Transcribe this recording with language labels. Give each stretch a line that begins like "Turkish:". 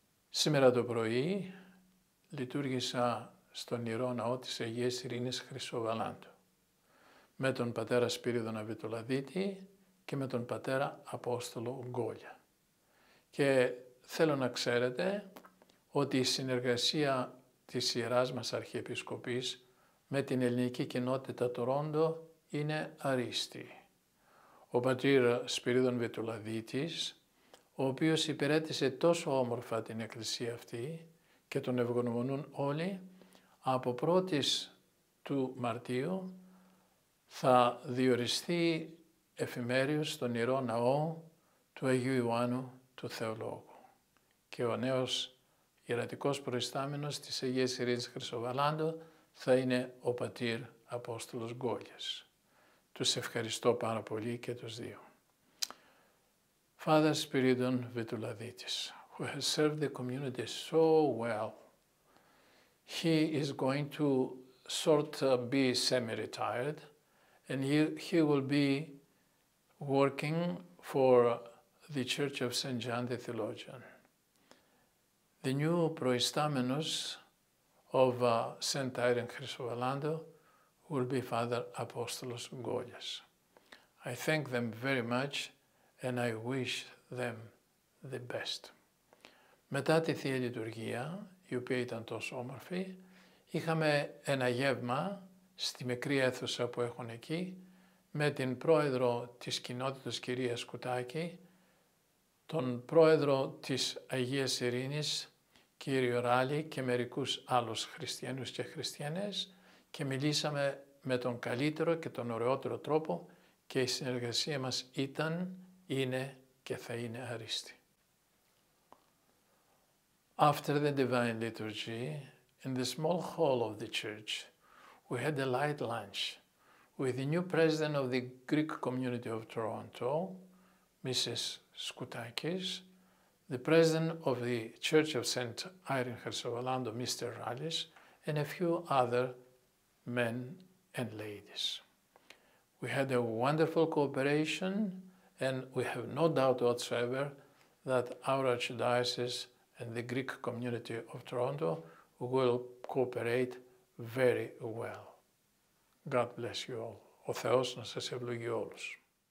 Greek: Σήμερα το πρωί λειτουργήσα στον Ιερό Ναό της Αγίας Ειρήνης Χρυσοβαλάντου με τον πατέρα Σπύριδωνα Βιτολαδίτη και με τον πατέρα Απόστολο Γκόλια. Και θέλω να ξέρετε ότι η συνεργασία της Ιεράς μας Αρχιεπισκοπής με την ελληνική κοινότητα Τορόντο είναι αρίστη. Ο πατήρ Σπυρίδων Βιτολαδίτης, ο οποίος υπηρέτησε τόσο όμορφα την εκκλησία αυτή και τον ευγνωμονούν όλοι, από 1ης του Μαρτίου θα διοριστεί εφημέριος στον Ιερό Ναό του Αγίου Ιωάννου του Θεολόγου. Και ο νέος ιερατικός προϊστάμενος της Αγίας Ειρήνης Χρυσοβαλάντου θα είναι ο πατήρ Απόστολος Γκόλιας. Τους ευχαριστώ πάρα πολύ και τους δύο.
English: Father Spiridon Vituladitis, who has served the community so well, he is going to sort of be semi-retired and he will be working for the Church of St. John the Theologian. The new proistamenos of St. Irene Chrysovalando will be Father Apostolos Goulias. I thank them very much and I wish them the best.
Greek: Μετά τη Θεία Λειτουργία, η οποία ήταν τόσο όμορφη, είχαμε ένα γεύμα στη μικρή αίθουσα που έχουν εκεί με την πρόεδρο της κοινότητας κυρία Σκουτάκη, τον πρόεδρο της Αγίας Ειρήνης κύριο Ράλι και μερικούς άλλους χριστιανούς και χριστιανές και μιλήσαμε με τον καλύτερο και τον ωραιότερο τρόπο και η συνεργασία μας ήταν, είναι και θα είναι άριστη.
English: After the Divine Liturgy, in the small hall of the church, we had a light lunch with the new president of the Greek community of Toronto, Mrs. Skoutakis, the president of the Church of St. Irene Herzogalando, Mr. Rallis, and a few other men and ladies. We had a wonderful cooperation, and we have no doubt whatsoever that our Archdiocese and the Greek community of Toronto will cooperate very well. God bless you all.
Greek: Ο Θεός να σας ευλογεί όλους.